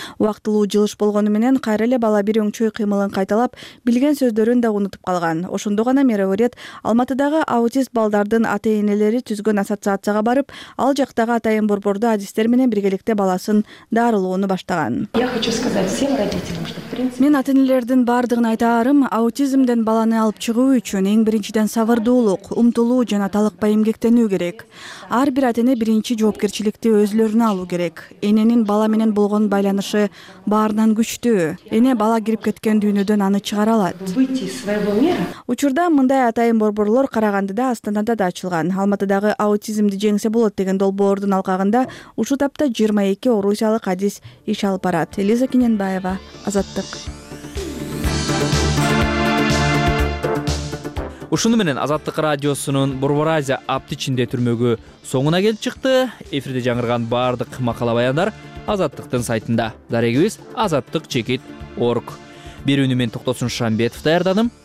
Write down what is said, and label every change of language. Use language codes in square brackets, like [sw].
[ky] Уактылуу жылыш болгону менен кайра эле бала бир өңчөй кыймылын кайталап, билген сөздөрүн да унутуп калган. Ошондо гана Мереурет Алматыдагы аутист балдардын ата-энелери түзгөн ассоциацияга барып, ал жактагы атайын борборду адистер менен биргеликте баласын дарылоону баштаган. [ru] Я хочу сказать всем родителям, что в принципе... [ky] Мен ата-энелердин бардыгына айтаарым, аутизмден баланы алып чыгуу үчүн эң биринчиден сабырдуулук, умтулуу жана талыкпай эмгектенүү керек. Ар бир ата-эне биринчи жоопкерчиликти өзлөрүнө алуу керек. Эненин бала менен болгон байланышы баарынан күчтүү. Эне бала кирип кеткен дүйнөдөн аны чыгара алат. Учурда мындай атайын борборлор Карагандыда, Астанада да ачылган. Алматыдагы аутизмди жеңсе болот деген долбоордун алкагында ушул тапта 22 орусиялык адис иш алып барат. Элиза Кененбаева, Азаттык. Ушуну менен Азаттык радиосунун Борбор Азия апты ичинде түрмөгү соңуна келип чыкты. Эфирде жаңырган бардык макала баяндар Азаттыктын сайтында. Дарегибиз azattik.org. Бир үнү мен Токтосун Шамбетов даярдадым.